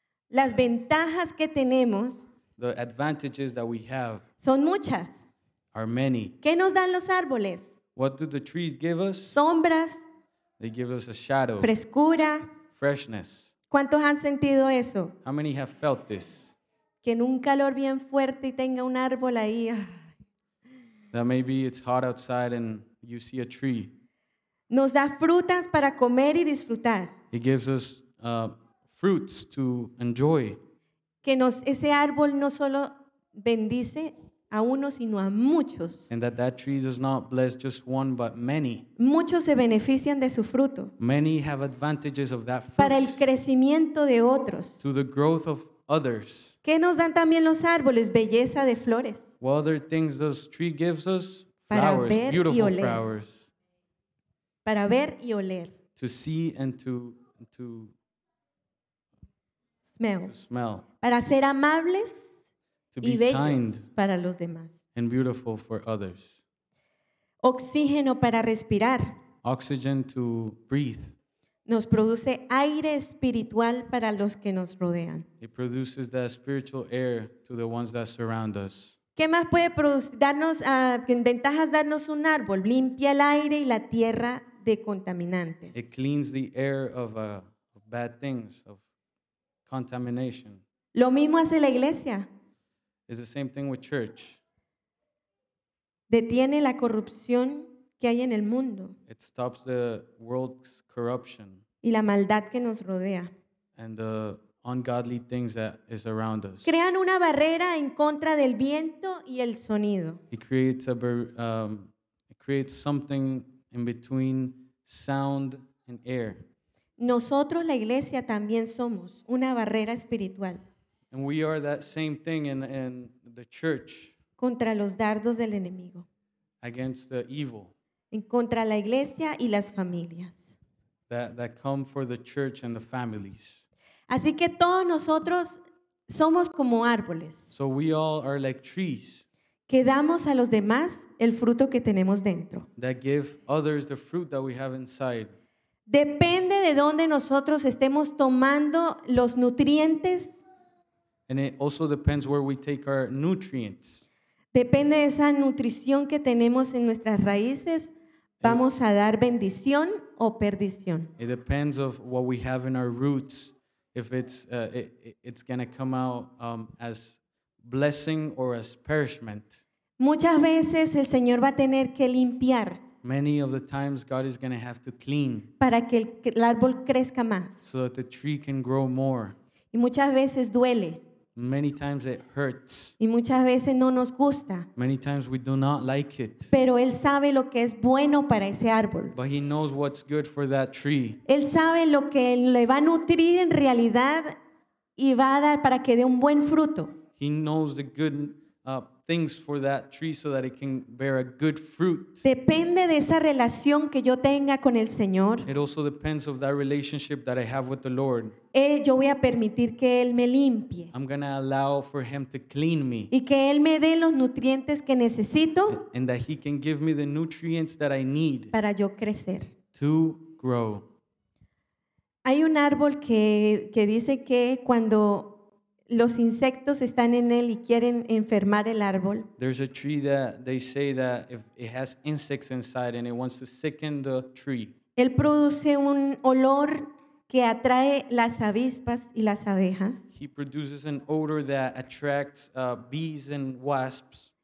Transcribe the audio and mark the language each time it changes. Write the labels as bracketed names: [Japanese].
[Spanish] Las ventajas que tenemos. [English] The advantages that we have. [Spanish] Son muchas. [English] Are many. [Spanish] ¿Qué nos dan los árboles? [English] What do the trees give us? [Spanish] Sombras. [English] They give us a shadow. [Spanish] Frescura. [English] Freshness. [Spanish] ¿Cuántos han sentido eso? [English] How many have felt this? [Spanish] Que en un calor bien fuerte y tenga un árbol ahí. [English] That maybe it's hot outside and you see a tree. [Spanish] Nos da frutas para comer y disfrutar. [English] It gives us fruits to enjoy. [Spanish] Que ese árbol no solo bendice a uno, sino a muchos. [English] And that tree does not bless just one, but many. [Spanish] Muchos se benefician de su fruto. [English] Many have advantages of that fruit. [Spanish] Para el crecimiento de otros. [English] To the growth of others. [Spanish] ¿Qué nos dan también los árboles? Belleza de flores. [English] What other things does tree gives us? [Spanish] Para [English] flowers, [Spanish] ver [English] beautiful [Spanish] y oler. [English] Flowers. [Spanish] Para ver y oler. [English] To see and to smell. To smell. [Spanish] Para ser amables. [English] To be [Spanish] y bellos [English] kind [Spanish] para los demás. [English] And beautiful for others. [Spanish] Oxígeno para respirar. [English] Oxygen to breathe. [Spanish] Nos produce aire espiritual para los que nos rodean. [English] It produces that spiritual air to the ones that surround us. [Spanish] ¿Qué más puede darnos ventajas darnos un árbol? Limpia el aire y la tierra de contaminantes. [English] It cleans the air of bad things, of contamination. [Spanish] Lo mismo hace la iglesia. [English] It's the same thing with church. [Spanish] Detiene la corrupción que hay en el mundo. [English] It stops the world's corruption. [Spanish] Y la maldad que nos rodea. [English] And the ungodly things that is around us. [Spanish] Crean una barrera en contra del viento y el sonido. [English] It creates something in between sound and air. [Spanish] Nosotros, la iglesia, también somos una barrera espiritual. [English] And we are that same thing in the church. [Spanish] Contra los dardos del enemigo. [English] Against the evil. [Spanish] En contra la iglesia y las familias. [English] That come for the church and the families. [Spanish] Así que todos nosotros somos como árboles. [English] So we all are like trees. [Spanish] Que damos a los demás el fruto que tenemos dentro. [English] That give others the fruit that we have inside. [Spanish] Depende de dónde nosotros estemos tomando los nutrientes. [English] And it also depends where we take our nutrients. [Spanish] Depende de esa nutrición que tenemos en nuestras raíces, vamos a dar bendición o perdición. [English] It depends of what we have in our roots, if it's going to come out as blessing or as perishment. [Spanish] Muchas veces el Señor va a tener que limpiar. [English] Many of the times God is going to have to clean. [Spanish] Para que el árbol crezca más. [English] So that the tree can grow more. [Spanish] Y muchas veces duele. [English] Many times it hurts. [Spanish] Y muchas veces no nos gusta. [English] Many times we do not like it. [Spanish] Pero él sabe lo que es bueno para ese árbol. [English] But he knows what's good for that tree. [Spanish] Él sabe lo que le va a nutrir en realidad y va a dar para que dé un buen fruto. [English] He knows the good things for that tree so that it can bear a good fruit. [Spanish] Depende de esa relación que yo tenga con el Señor. [English] It also depends of that relationship that I have with the Lord. [Spanish] Yo voy a permitir que Él me limpie. [English] I'm going to allow for Him to clean me. [Spanish] Y que Él me dé los nutrientes que necesito. [English] And that He can give me the nutrients that I need. [Spanish] Para yo crecer. [English] To grow. [Spanish] Hay un árbol que dice que cuando los insectos están en él y quieren enfermar el árbol. [English] There's a tree that they say that if it has insects inside and it wants to sicken the tree. [Spanish] Él produce un olor que atrae las avispas y las abejas. [English] He produces an odor that attracts bees and wasps.